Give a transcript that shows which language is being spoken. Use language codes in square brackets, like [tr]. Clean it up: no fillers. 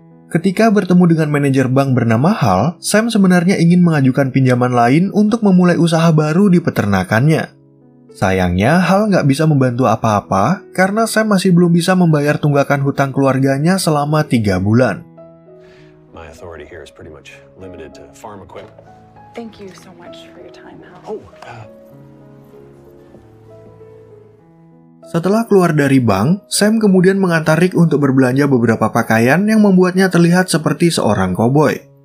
[id] Ketika bertemu dengan manajer bank bernama Hal, Sam sebenarnya ingin mengajukan pinjaman lain untuk memulai usaha baru di peternakannya. Sayangnya, Hal nggak bisa membantu apa-apa karena Sam masih belum bisa membayar tunggakan hutang keluarganya selama 3 bulan. [en] My authority here is pretty much limited to farm equipment. Thank you so much for your time, Hal. [id] Setelah keluar dari bank, Sam kemudian mengantar Rick untuk berbelanja beberapa pakaian yang membuatnya terlihat seperti seorang koboi.